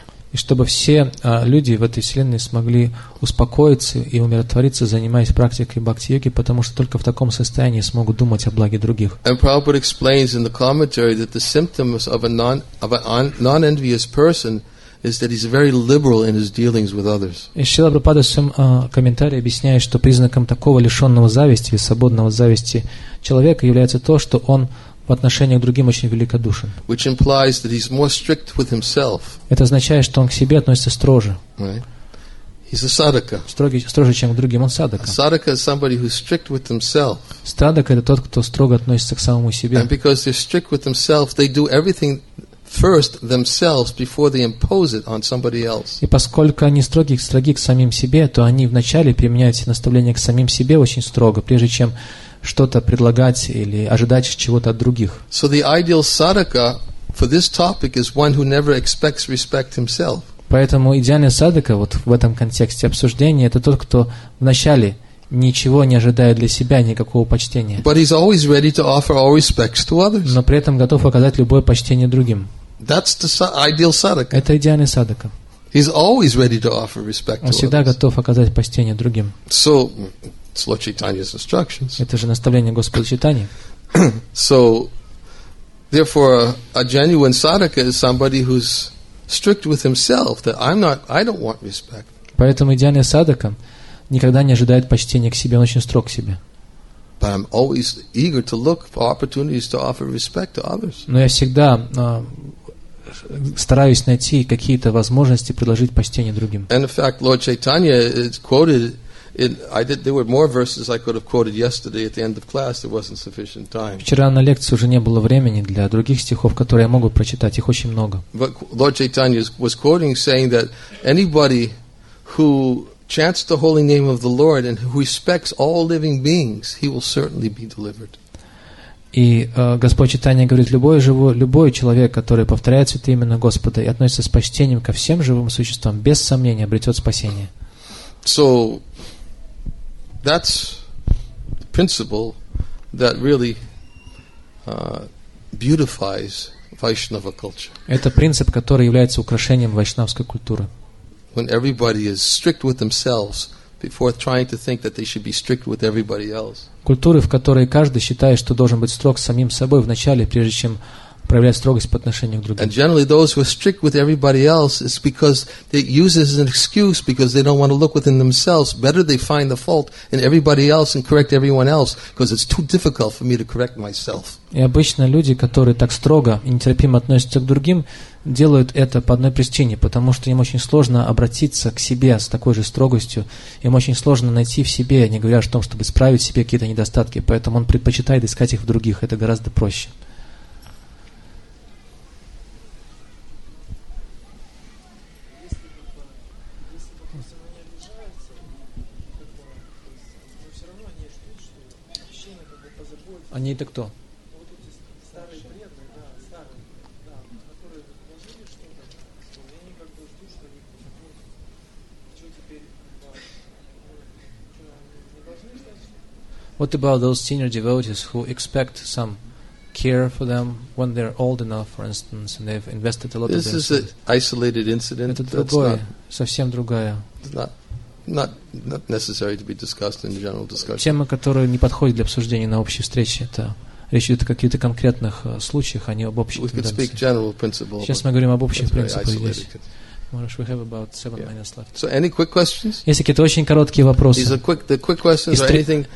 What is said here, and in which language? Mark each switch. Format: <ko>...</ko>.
<ru>И чтобы все люди в этой вселенной смогли успокоиться и умиротвориться, занимаясь практикой бхакти-йоги, потому что только в таком состоянии смогут думать о благе других.</ru> <en>And Prabhupada explains in the commentary that the symptoms of a non-envious person is that he's very liberal in his dealings with others.</en> <ru>И Шрила Прабхупада в своем комментарии объясняет, что признаком такого лишенного зависти и свободного зависти человека является то, что он в отношении к другим очень великодушен.</ru> <en>Which implies that he's more strict with himself.</en> <ru>Это означает, что он к себе относится строже.</ru> <en>Right. He's a sadhaka.</en> <ru>Строже, чем к другим, он садака.</ru> <en>A sadhaka is somebody who's strict with himself.</en> <ru>Садака — это тот, кто строго относится к самому себе.</ru> <en>And because they're strict with themselves, they do everything first themselves before they impose it on somebody else.</en> <ru>И поскольку они строги к самим себе, то они вначале применяют все наставления к самим себе очень строго, прежде чем что-то предлагать или ожидать чего-то от других.</ru> <en>So the ideal sadhaka for this topic is one who never expects respect himself.</en> <ru>Поэтому идеальный садака вот в этом контексте обсуждения — это тот, кто вначале ничего не ожидает для себя, никакого почтения.</ru> <en>But he's always ready to offer all respects to others.</en> <ru>Но при этом готов оказать любое почтение другим.</ru> <en>That's the ideal sadhaka.</en> <ru>Это идеальный садака.</ru> <en>He's always ready to offer respect to others.</en> <ru>Он всегда готов оказать почтение другим.</ru> <en>So Lord Chaitanya's instructions.</en> <ru>Это же наставление Господа Чайтаньи.</ru> <en>So, therefore, a genuine sadhaka is somebody who's strict with himself, that I don't want respect.</en> <ru>Поэтому идеальный садака никогда не ожидает почтения к себе, он очень строг к себе.</ru> <en>But I'm always eager to look for opportunities to offer respect to others.</en> <ru>Но я всегда стараюсь найти какие-то возможности предложить почтение другим.</ru> <en>And in fact, Lord Chaitanya is quoted. There were more verses I could have quoted yesterday at the end of class. There wasn't sufficient time.</en> <ru>Вчера на лекции уже не было времени для других стихов, которые я могу прочитать. Их очень много.</ru> <en>But Lord Chaitanya was quoting, saying that anybody who chants the holy name of the Lord and who respects all living beings, he will certainly be delivered.</en> <ru>И Господь Чайтанья говорит, любой человек, который повторяет святое имя Господа и относится с почтением ко всем живым существам, без сомнения обретет спасение.</ru> <en>So that's the principle that really beautifies Vaishnava culture.</en> <ru>Это принцип, который является украшением вайшнавской культуры.</ru> <en>When everybody is strict with themselves before trying to think that they should be strict with everybody else.</en> <ru>Культуры, в которой каждый считает, что должен быть строг с самим собой вначале, прежде чем проявляет строгость по отношению к другим.</ru> <en>And generally those who are strict with everybody else is because they use it as an excuse because they don't want to look within themselves. Better they find the fault in everybody else and correct everyone else because it's too difficult for me to correct myself.</en> <ru>И обычно люди, которые так строго и нетерпимо относятся к другим, делают это по одной причине, потому что им очень сложно обратиться к себе с такой же строгостью, им очень сложно найти в себе, не говоря о том, чтобы исправить в себе какие-то недостатки, поэтому он предпочитает искать их в других, это гораздо проще. Они это кто?</ru> <en>What about those senior devotees who expect some care for them when they're old enough, for instance, and they've invested a lot of this? This is an isolated incident.</en> <ru>Это другое, совсем другая.</ru> <en>Not necessary to be discussed in general discussion.</en> <ru>Тема, которая не подходит для обсуждения на общей встрече, это речь идет о каких-то конкретных случаях, а не об общей тенденции.</ru> <en>We could speak general principle.</en> <ru>Сейчас мы говорим об общих принципах здесь.</ru> <en>Marsh, we have about 7 minutes left. So, any quick questions?</en> <ru>Есть какие-то очень короткие вопросы.</ru> <en>The quick questions or anything?</en>